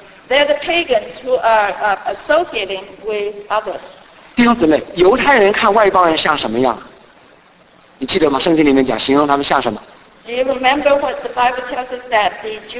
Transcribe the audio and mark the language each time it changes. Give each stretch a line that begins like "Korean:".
English: They're the pagans who are associating with others.
Chinese: 弟兄姊妹，犹太人看外邦人像什么样？你记得吗？圣经里面讲形容他们像什么？
English: Do you remember what the Bible tells us that the Jews?